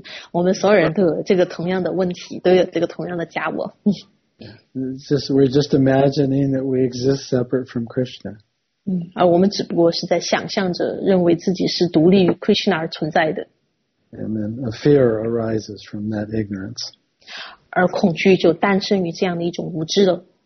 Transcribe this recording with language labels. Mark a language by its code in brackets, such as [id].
[zh] 我们所有人都有这个同样的问题，都有这个同样的假我。 [en] We're just imagining that we exist separate from Krishna. [zh] 而我们只不过是在想象着认为自己是独立于 Krishna 而存在的。 [en] And then a fear arises from that ignorance. [zh] 而恐惧就诞生于这样的一种无知了。